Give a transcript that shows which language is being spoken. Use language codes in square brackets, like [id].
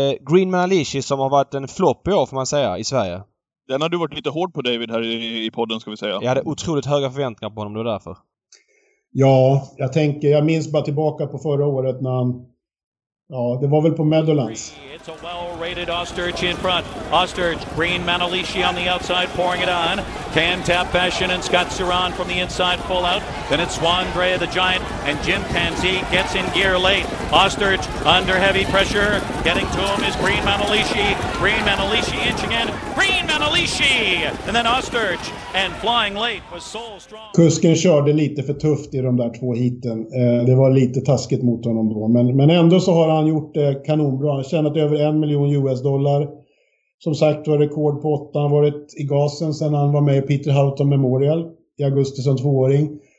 [sv] Greenman Alishi som har varit en flopp i år får man säga i Sverige. Den har du varit lite hård på David här i podden ska vi säga. Jag hade otroligt höga förväntningar på honom. Det var därför. Ja, jag minns bara tillbaka på förra året när han, ja, det var väl på Meadowlands. [en] It's a well-rated Osterich in front. Osterich, Green Manalishi on the outside pouring it on. Can Tap Fashion and Scott Ceron from the inside pull out. Then it's Swan Gray the Giant and Jim Panzi gets in gear late. Osterich under heavy pressure. Getting to him is Green Manalishi. Green Manalishi inching in. Green Manalishi! And then Osterich and flying late was Soul Strong. [sv] Kusken körde lite för tufft i de där två hiten. Det var lite taskigt mot honom då. Men ändå så har han gjort kanonbra. Han har tjänat över $1 million. Som sagt var rekord på 8. Han varit i gasen sen han var med i Peter Houghton Memorial i augusti som tvååring.